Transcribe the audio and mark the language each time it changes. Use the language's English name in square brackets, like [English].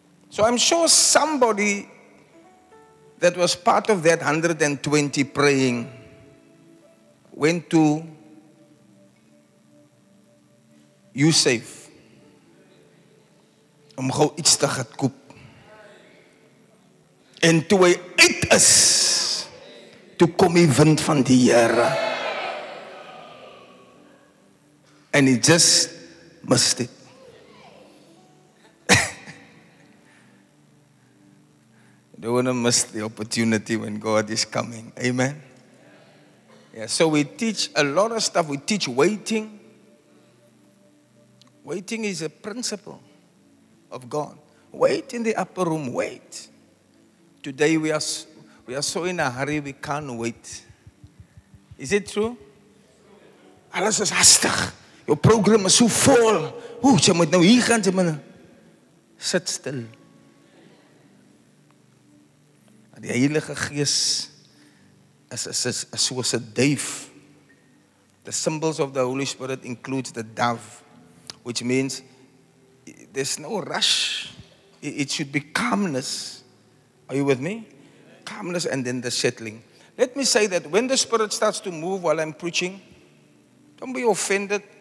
[English] So I'm sure somebody that was part of that 120 praying went to Yusuf [Afrikaans] om gou iets te gekoop. En toe hy uit is, toe kom die wind van die Here. [English] and it just must stay. You don't want to miss the opportunity when God is coming. Amen. Yeah, so we teach a lot of stuff. We teach waiting. Waiting is a principle of God. Wait in the upper room. Wait. Today we are so in a hurry, we can't wait. Is it true? [Afrikaans] Alles is hastig. [English] Your program is so full. [Afrikaans] Oeh, jy moet nou hier gaan, jy moet sit stil. Die Heilige Gees is soos 'n duif. [English] The symbols of the Holy Spirit includes the dove, which means there's no rush. It should be calmness. Are you with me? Calmness and then the settling. Let me say that when the Spirit starts to move while I'm preaching, don't be offended.